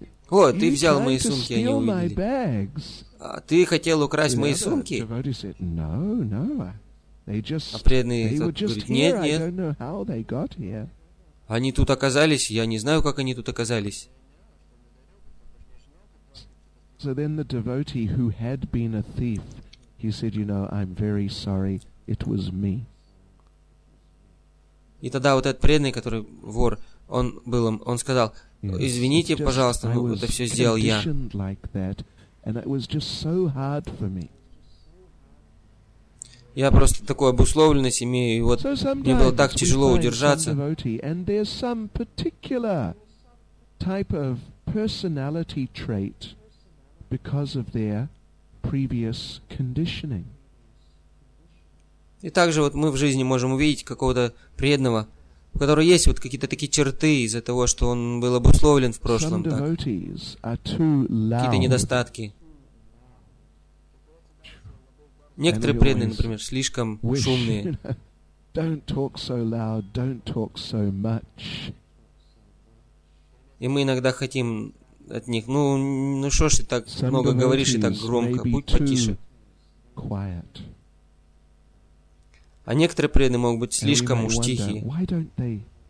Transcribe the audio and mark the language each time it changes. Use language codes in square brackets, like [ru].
[ru] О, ты взял мои сумки, они увидели. А ты хотел украсть мои сумки? А преданные говорят, нет, нет. Они тут оказались, я не знаю, как они тут оказались. [en] So then the devotee who had been a thief, he said, you know, I'm very sorry, it was me. [ru] И тогда вот этот преданный, который вор, он был, он сказал, извините, пожалуйста, ну, это все сделал я. [en] Like that, and it was just so hard for me. [ru] Я просто такую обусловленность имею, и вот мне было так тяжело удержаться. [en] And there's some particular type of personality trait because of their previous conditioning. [ru] И также вот мы в жизни можем увидеть какого-то преданного, у которого есть вот какие-то такие черты из-за того, что он был обусловлен в прошлом, так. Какие-то недостатки. Некоторые преданные, например, слишком шумные. [en] Don't talk so loud, don't talk so much. [ru] И мы иногда хотим от них. Ну, ну что ж ты так много говоришь и так громко? Будь потише. А некоторые преданные могут быть слишком уж тихие.